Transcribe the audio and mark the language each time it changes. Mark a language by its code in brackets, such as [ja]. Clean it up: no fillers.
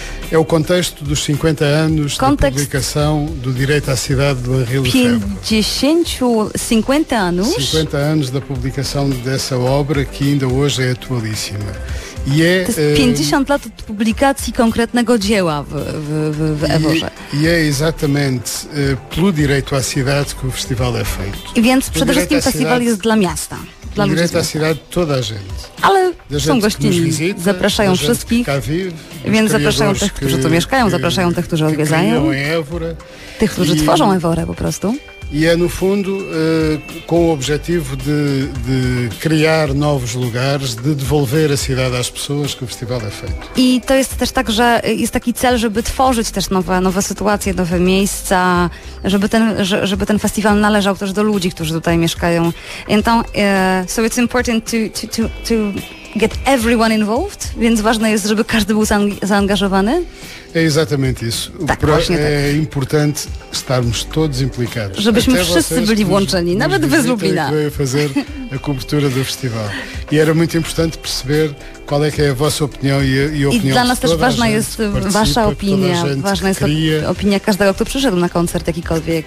[pt] É o contexto dos 50 anos de publicação do Direito à Cidade do Henri Lefebvre. 50 anos? 50 anos da publicação dessa obra que ainda hoje é atualíssima. E é, [pl] to jest 50 lat od publikacji konkretnego dzieła w Évorze. [pt] I jest exatamente pelo direito à cidade que o festival é feito. [pl] Więc przede wszystkim festiwal jest dla miasta. Dla ludzi [pt] direito à cidade toda a gente. [pl] Ale są gościni, zapraszają wszystkich, więc zapraszają tych, którzy tu mieszkają, zapraszają tych, którzy odwiedzają. Tych, którzy tworzą Évorę po prostu. [pt] E é, no fundo, com o objetivo de criar novos lugares, de devolver a cidade às pessoas que o festival é feito. [pl] I to jest też tak, że jest taki cel, żeby tworzyć też nowe sytuacje, nowe miejsca, żeby ten festiwal należał też do ludzi, którzy tutaj mieszkają. [pt] Então, [en] so it's important to get everyone involved? [pl] Więc ważne jest, żeby każdy był zaangażowany? [pt] É exatamente isso. [pl] Tak, właśnie [pt] é importante estarmos todos implicados. [pl] Żebyśmy wszyscy byli włączeni, nawet wy z Lublina. [pt] Que veio fazer a cobertura do festival. E era muito importante perceber qual é que é a vossa opinião e a opinião. [pl] I dla nas też ważna jest wasza opinia. Ważna jest opinia każdego, kto przyszedł na koncert jakikolwiek.